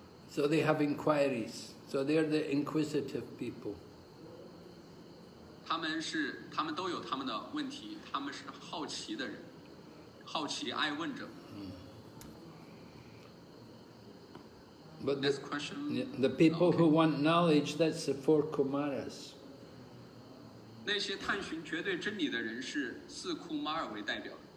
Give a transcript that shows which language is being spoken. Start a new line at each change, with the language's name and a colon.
English: So they have inquiries. So they are the inquisitive people.
Chinese: 他们是，他们都有他们的问题，他们是好奇的人，好奇爱问者。
English: But next question. The people who want knowledge, that's the four kumaras.
Chinese: 那些探寻绝对真理的人是四库马尔为代表。